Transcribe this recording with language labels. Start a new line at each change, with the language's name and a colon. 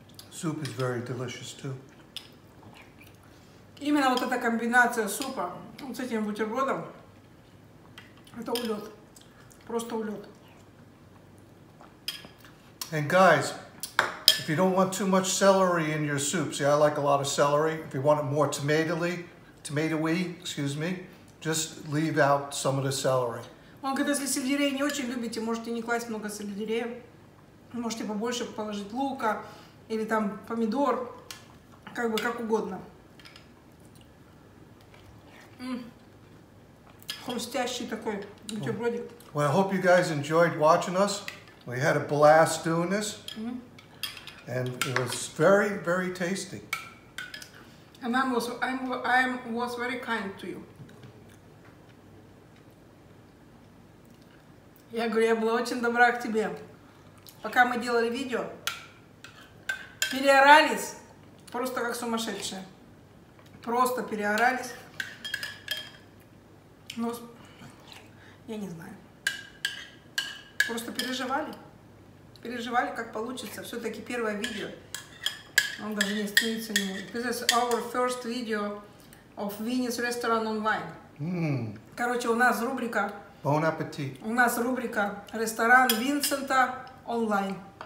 English: Soup is very delicious too.
Russian: Именно вот эта комбинация супа вот с этим бутербродом, это улет. Просто улет.
English: And guys, if you don't want too much celery in your soup, see, I like a lot of celery. If you want it more tomato-y, just leave out some of the celery.
Russian: Он говорит, если сельдерея не очень любите, можете не класть много сельдерея. Можете побольше положить лука или там помидор, как бы как угодно. хрустящий такой бутербродик.
English: Well, I hope you guys enjoyed watching us. We had a blast doing this. Mm-hmm. And it was very, very tasty. And I was very kind to you.
Russian: Я говорю, я была очень добра к тебе. Пока мы делали видео, переорались просто как сумасшедшие. Просто переорались. Но я не знаю. Просто переживали. Переживали, как получится. Все-таки первое видео. Он даже не стыдится.
English: This is our first video of Vinny's restaurant online.
Russian: Короче, у нас рубрика...
French: Bon appétit.
Russian: У нас рубрика «Ресторан Винсента онлайн».